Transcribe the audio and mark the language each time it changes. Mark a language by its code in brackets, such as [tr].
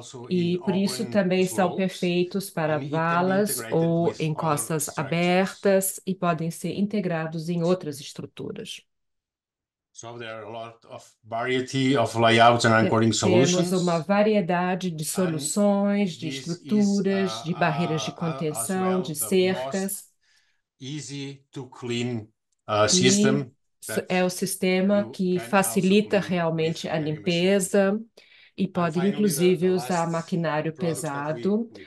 [pt] E por isso também são perfeitos para valas ou encostas abertas e podem ser integrados em outras estruturas. [en] So there are a lot of variety of layouts and anchoring solutions. [pt] Temos uma variedade de soluções, de estruturas, de barreiras de contenção, de cercas. [en] Easy to clean system. [pt] É o sistema que facilita realmente a limpeza. E pode inclusive usar maquinário pesado.